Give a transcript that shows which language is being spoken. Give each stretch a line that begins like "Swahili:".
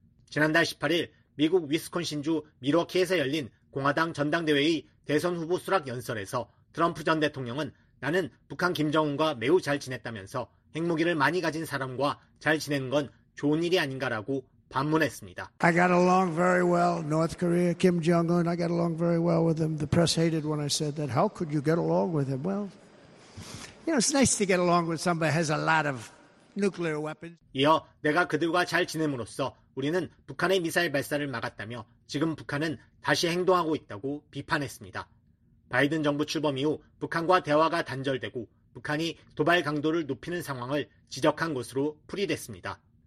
Korean: 지난달 18일 미국 위스콘신주 밀워키에서 열린 공화당 전당대회의 대선 후보 수락 연설에서 트럼프 전 대통령은 나는 북한 김정은과 매우 잘 지냈다면서 핵무기를 많이 가진 사람과 잘 지내는 건 좋은 일이 아닌가라고 반문했습니다.
English: I got along very well North Korea Kim Jong-un. I got along very well with him. The press hated when I said that. How could you get along with him? Well, you know, it's nice to get along with somebody who has a lot of nuclear weapons.
Korean: 이어 내가 그들과 잘 지냄으로써 우리는 북한의 미사일 발사를 막았다며 지금 북한은 다시 행동하고 있다고 비판했습니다. 바이든 정부 출범 이후 북한과 대화가 단절되고 북한이 도발 강도를 높이는 상황을 지적한 것으로 풀이됐습니다.